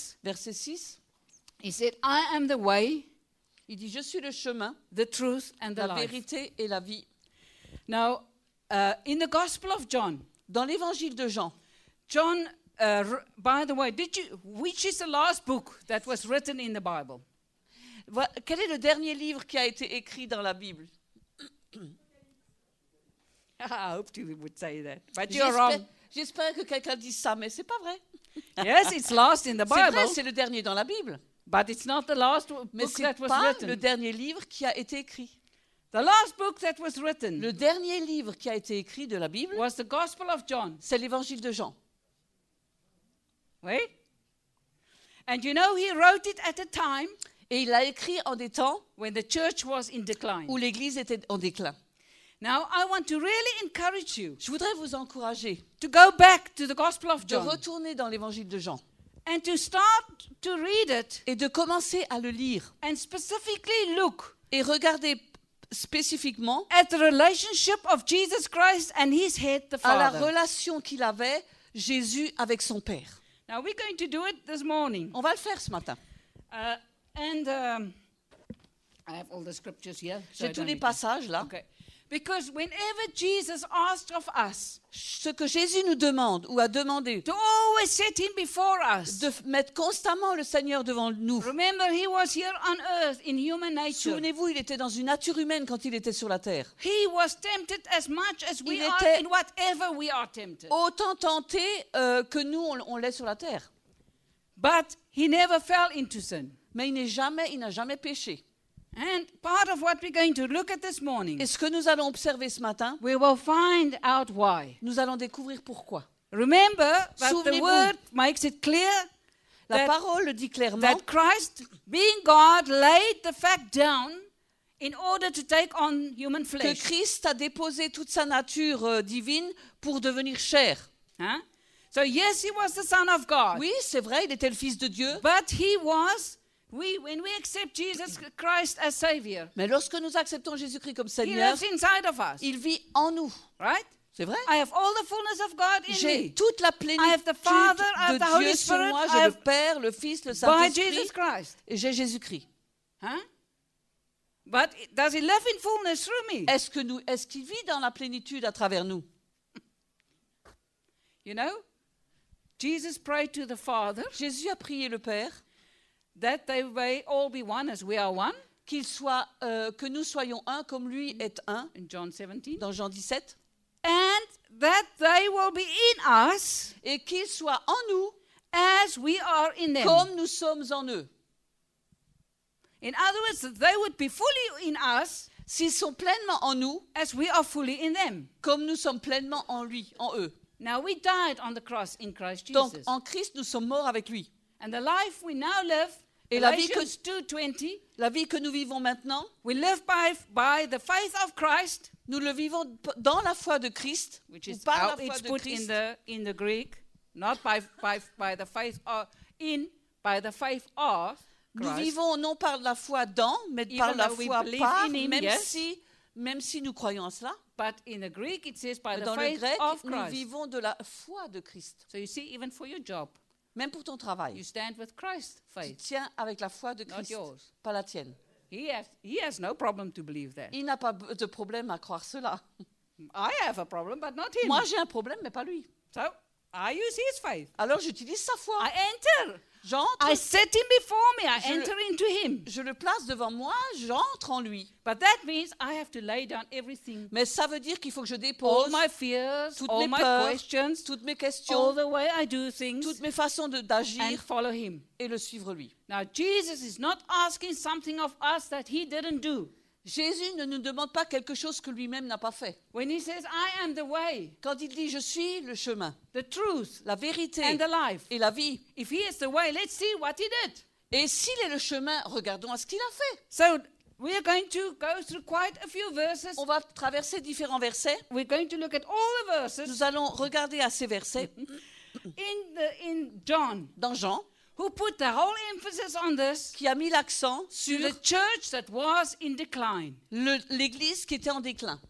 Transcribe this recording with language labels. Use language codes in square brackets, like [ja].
[en] verset 6, he said, I am the way, [fr] il dit, je suis le chemin, [en] the truth and the [fr] la [en] life. [fr] Vérité et la vie. [en] Now, in the Gospel of John, [fr] dans l'Évangile de Jean, [en] John, by the way, which is the last book that was written in the Bible? [fr] Quel est le dernier livre qui a été écrit dans la Bible? [en] I hoped you would say that, but you're wrong. [fr] J'espère que quelqu'un dit ça, mais c'est pas vrai. [en] Yes, it's last in the Bible. [fr] C'est vrai, c'est le dernier dans la Bible. [en] But it's not the last [fr] mais [en] book that was [fr] Mais c'est pas le dernier livre qui a été écrit. [en] The last book that was written, [fr] le dernier livre qui a été écrit de la Bible, [en] was the Gospel of John. [fr] C'est l'Évangile de Jean. Oui. [en] And you know he wrote it at a time, [fr] et il l'a écrit en des temps, [en] when the church was in decline. [fr] Où l'église était en déclin. [en] Now I want to really encourage you. [fr] Je voudrais vous encourager [en] to go back to the Gospel of John. [fr] De retourner dans l'Évangile de Jean. [en] And to start to read it. [fr] Et de commencer à le lire. [en] And specifically look. [fr] Et regarder spécifiquement [en] at the relationship of Jesus Christ and his head, the Father. [fr] À la relation qu'il avait Jésus avec son Père. [en] Now we're going to do it this morning. [fr] On va le faire ce matin. [en] I have all the scriptures here. [fr] J'ai [en] so [fr] tous les passages là. [en] Okay. Because whenever Jesus asked of us, [fr] ce que Jésus nous demande ou a demandé, [en] to always set him before us, [fr] de mettre constamment le Seigneur devant nous. [en] Remember, he was here on earth in human nature. [fr] Souvenez-vous, il était dans une nature humaine quand il était sur la terre. [en] He was tempted as much as we are in whatever we are tempted. [fr] Autant tenté que nous on l'est sur la terre. [en] But he never fell into sin. [fr] Mais il n'a jamais péché. [en] And part of what we're going to look at this morning. [fr] Et ce que nous allons observer ce matin. [en] We will find out why. [fr] Nous allons découvrir pourquoi. [en] Remember that the word makes it clear. [fr] La parole le dit clairement. [en] That Christ, being God, laid the fact down in order to take on human flesh. [fr] Que Christ a déposé toute sa nature divine pour devenir chair. Hein? [en] So yes, he was the Son of God. [fr] Oui, c'est vrai, il était le Fils de Dieu. [en] But he was. Oui, when we accept Jesus Christ as Savior. [fr] Mais lorsque nous acceptons Jésus-Christ comme Seigneur, [en] he lives inside of us. [fr] Il vit en nous. [en] Right? [fr] C'est vrai? [en] I have all the fullness of God in [fr] J'ai [en] me. [fr] Toute la plénitude [en] I have the Father, [fr] de [en] I have the Holy [fr] Dieu [en] Spirit, [fr] sur moi. J'ai [en] I have [fr] le Père, le Fils, le Saint-Esprit. [en] By Jesus Christ. [fr] Et j'ai Jésus-Christ. Hein? [en] But does he live in fullness through me? [fr] Est-ce qu'il vit dans la plénitude à travers nous? [en] You know, Jesus prayed to the Father. [fr] Jésus a prié le Père. [en] That they may all be one as we are one. [fr] Que nous soyons un comme lui est un. [en] In John 17. [fr] Dans Jean 17. [en] And that they will be in us. [fr] Et qu'ils soient en nous. [en] As we are in them. [fr] Comme nous sommes en eux. [en] In other words, they would be fully in us. [fr] S'ils sont pleinement en nous. [en] As we are fully in them. [fr] Comme nous sommes pleinement en lui, en eux. [en] Now we died on the cross in Christ Jesus. [fr] Donc en Christ nous sommes morts avec lui. [en] And the life we now live. [fr] Et la vie que nous vivons maintenant, [en] we live by the faith of Christ, [fr] nous le vivons dans la foi de Christ, [en] which is [fr] ou par [en] how [fr] la foi [en] it's [fr] de [en] put [fr] Christ. [en] In the Greek, not by the faith of in by the faith of Christ. [fr] Nous vivons non par la foi dans, mais [en] Even [fr] par la foi par, [en] in him, [fr] même [en] yes. [fr] si même si nous croyons cela. [en] But in the Greek it says by [fr] dans [en] the faith [fr] grec, [en] of Christ. [fr] Nous vivons de la foi de Christ. [en] So you see, even for your job. [fr] Même pour ton travail. [en] You stand with Christ, faith. [fr] Tu tiens avec la foi de Christ, [en] not yours. [fr] Pas la tienne. [en] He has no problem to believe that. [fr] Il n'a pas de problème à croire cela. [en] I have a problem, but not him. [fr] Moi, j'ai un problème, mais pas lui. [en] So, I use his faith. [fr] Alors, j'utilise sa foi. [en] I enter. [fr] J'entre. [en] I set him before me. I enter into him. [fr] Je le place devant moi. J'entre en lui. [en] But that means I have to lay down everything. [fr] Mais ça veut dire qu'il faut que je dépose [en] all my fears, [fr] toutes [en] all [fr] mes [en] my [fr] peurs, [en] questions, [fr] toutes mes questions, [en] all the way I do things, [fr] toutes mes façons d'agir, [en] and follow him. [fr] Et le suivre lui. [en] Now Jesus is not asking something of us that he didn't do. [fr] Jésus ne nous demande pas quelque chose que lui-même n'a pas fait. [en] When he says, I am the way, [fr] quand il dit, je suis le chemin, [en] the truth, [fr] la vérité [en] and the life, [fr] et la vie. [en] If he is the way, let's see what he did. [fr] Et s'il est le chemin, regardons à ce qu'il a fait. [en] So, we are going to go through quite a few verses. [fr] On va traverser différents versets. [en] We're going to look at all the verses. [fr] Nous allons regarder à ces versets. [en] In John. [fr] Dans Jean. [en] Who put the whole emphasis on this? [fr] Qui a mis l'accent sur [en] the church that was in decline. [fr] L'église qui était en déclin.